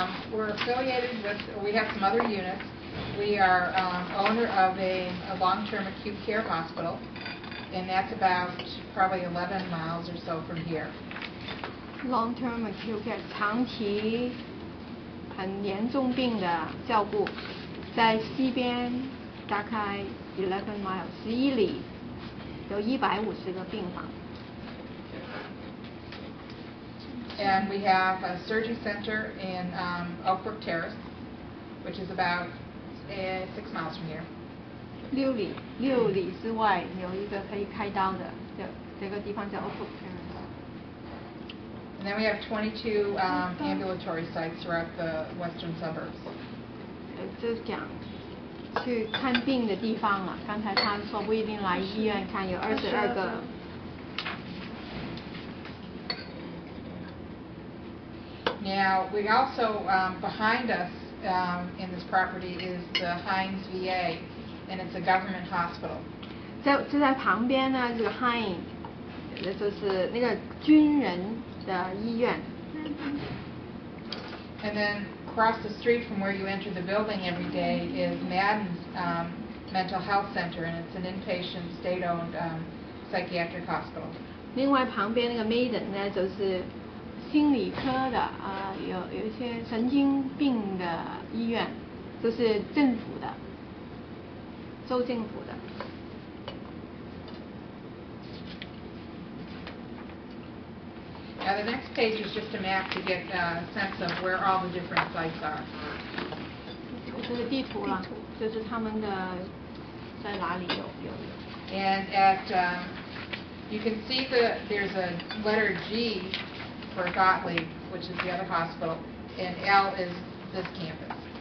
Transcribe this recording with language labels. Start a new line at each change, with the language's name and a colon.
English: We're affiliated with, we have some other units. We are owner of a long-term acute care hospital, and that's about probably 11 miles or so from here.
Chinese: Long-term acute care, 长期很严重病的照顾，在西边大概 11 miles, 11里，有150个病房。
English: And we have a surgery center in Oak Brook Terrace, which is about 6 miles from here.
Chinese: 六里之外有一个可以开刀的，这个地方叫 Oak Brook Terrace.
English: And then we have 22 ambulatory sites throughout the western suburbs.
Chinese: 就讲去看病的地方了，刚才他说不一定来医院看，有22个。
English: Now, we also, behind us in this property is the Heinz VA, and it's a government hospital.
Chinese: 就在旁边呢，这个 Heinz, 那就是那个军人的医院。
English: And then across the street from where you enter the building every day is Madden's Mental Health Center, and it's an inpatient state-owned psychiatric hospital.
Chinese: 另外旁边那个 Madden 呢，就是心理科的啊，有一些神经病的医院，就是政府的，州政府的。
English: Now the next page is just a map to get a sense of where all the different sites are.
Chinese: 这是地图了，就是他们的在哪里有。
English: And at you can see there's a letter G. For Gottlieb, which is the other hospital, and L is this campus.